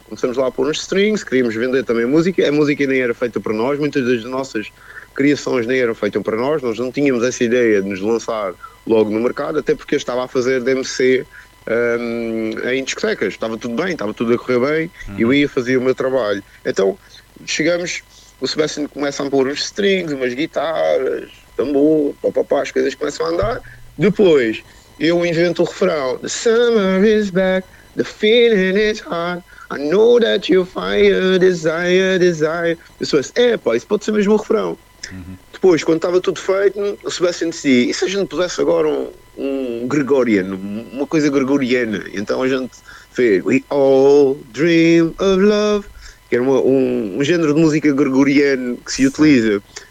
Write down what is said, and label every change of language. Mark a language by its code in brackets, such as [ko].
[pt] Começamos lá a pôr uns strings, queríamos vender também música, a música nem era feita para nós, muitas das nossas criações nem eram feitas para nós, nós não tínhamos essa ideia de nos lançar logo no mercado, até porque eu estava a fazer DMC em discotecas, estava tudo bem, estava tudo a correr bem, eu ia fazer o meu trabalho. Então, chegamos, o Sebastian começa a pôr uns strings, umas guitarras, tambor, papapá, as coisas começam a andar. Depois, eu invento o refrão. [en] The summer is back, the feeling is hot, I know that you fire, desire, desire. [pt] O Sebastian, epá, isso pode ser mesmo o refrão. Depois, quando estava tudo feito, o Sebastian decidia, e se a gente pusesse agora um Gregorian, uma coisa gregoriana? Então a gente fez, [en] we all dream of love, [pt] que era um género de música gregoriano que se utiliza.